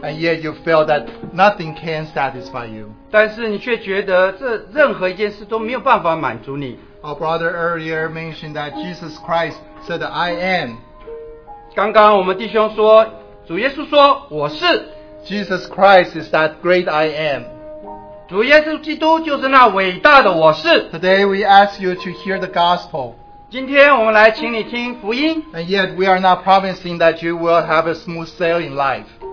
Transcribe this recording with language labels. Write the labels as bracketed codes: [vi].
[en] And yet you feel that nothing can satisfy you. [zh] 但是你却觉得这任何一件事都没有办法满足你。 [en] Our brother earlier mentioned that Jesus Christ said, I am. [zh] 刚刚我们弟兄说, 主耶稣说, 我是。 [en] Jesus Christ is that great I am. [zh] 主耶稣基督就是那伟大的我是。 [en] Today we ask you to hear the gospel. [zh] 今天我们来请你听福音。 [en] And yet we are not promising that you will have a smooth sail in life.